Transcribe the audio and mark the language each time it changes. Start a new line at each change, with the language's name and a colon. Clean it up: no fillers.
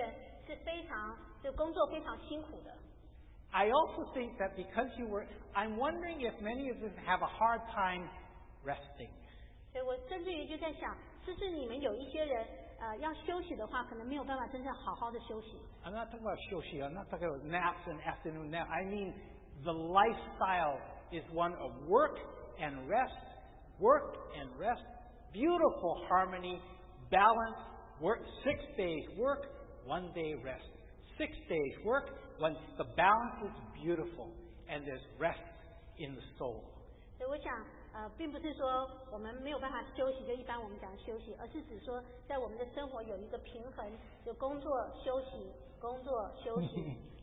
Chinese: 弟兄姐妹,我知道你们当中有很多人是非常,就工作非常辛苦的。
English: I also think that because you were, I'm wondering if many of you have a hard time resting.
Chinese: 我甚至于就在想,是不是你们有一些人,要休息的话,可能没有办法真正好好的休息。
English: I'm not talking about休息, I'm not talking about naps and afternoon nap. I mean, the lifestyle is one of work and rest, beautiful harmony, balance, work 6 days, work 1 day, rest. 6 days, work, when the balance is beautiful and there's rest in the soul.
Chinese: 所以我想,并不是说我们没有办法休息,就一般我们讲休息,而是指说在我们的生活有一个平衡,就工作休息,工作休息,